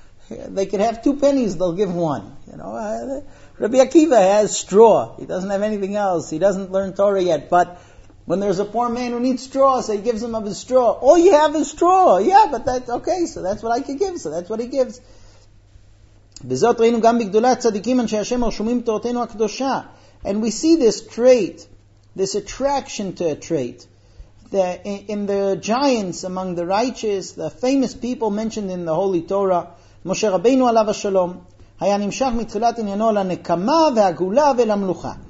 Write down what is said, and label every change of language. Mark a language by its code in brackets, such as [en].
[en] They could have two pennies, they'll give one. You know, Rabbi Akiva has straw. He doesn't have anything else. He doesn't learn Torah yet. But when there's a poor man who needs straw, so he gives him of his straw. All you have is straw. Yeah, but that's okay. So that's what I could give. So that's what he gives. [he] וזאת ראינו גם בגדולת צדיקים אנשי השם הרשומים תורתנו הקדושה. [en] And we see this trait, this attraction to a trait, that in the giants among the righteous, the famous people mentioned in the Holy Torah, [he] משה רבינו עליו השלום, היה נמשך מתחילת עניינו לנקמה והגולה ולמלוכה.